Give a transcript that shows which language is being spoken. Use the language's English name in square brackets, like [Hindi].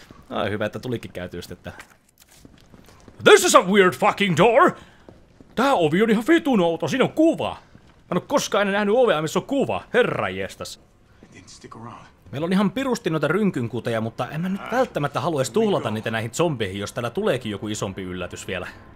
[Finnish] Ai, hyvä, että tulikin käytyystä, että... [English] This is a weird fucking door! [Finnish] Tää ovi on ihan vitun outo, siinä on kuva! Mä en oo koskaan ennen nähnyt ovea, missä on kuva, herranjestas. Meillä on ihan pirusti noita rynkynkuteja, mutta en mä nyt välttämättä haluaisi tuhlata niitä näihin zombeihin, jos täällä tuleekin joku isompi yllätys vielä.